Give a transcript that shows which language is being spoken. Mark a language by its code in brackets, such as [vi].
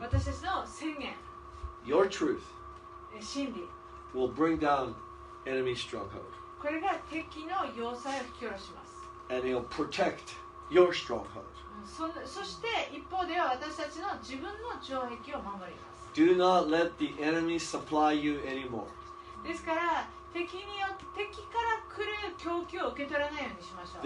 [ja] 私たちの宣言。 [en] Your truth. [ja] 真理。 [en] Will bring down enemy strongholds. [ja] これが敵の要塞を引き下ろします。 [en] And it'll protect your stronghold. [ja] そして一方では私たちの自分の城壁を守ります。 [en] Do not let the enemy supply you anymore. [ja] ですから敵から来る供給を受け取らないようにしましょう。